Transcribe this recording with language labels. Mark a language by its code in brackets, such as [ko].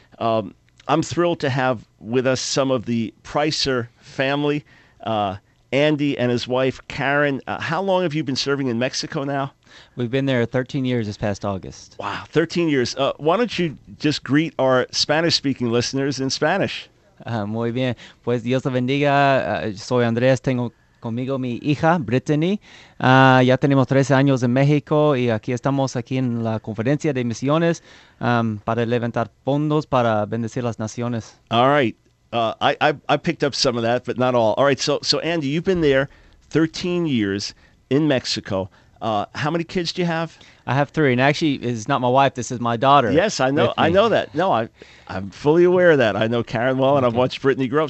[en] I'm thrilled to have with us some of the Pricer family, Andy and his wife, Karen. How long have you been serving in Mexico now? We've been there 13 years this past August. Wow, 13 years. Why don't you just greet our Spanish-speaking listeners in Spanish? [es] Muy bien. Pues Dios te bendiga. Soy Andrés. Tengo conmigo mi hija, Brittany. Ya tenemos 13 años en México y aquí estamos aquí en la conferencia de misiones para levantar fondos para bendecir las naciones. [en] All right. I picked up some of that, but not all. All right. So Andy, you've been there 13 years in Mexico. How many kids do you have? I have three, and actually, it's not my wife. This is my daughter. Yes, I know. I know that. No, I'm fully aware of that. I know Karen well, and okay. I've watched Brittany grow up.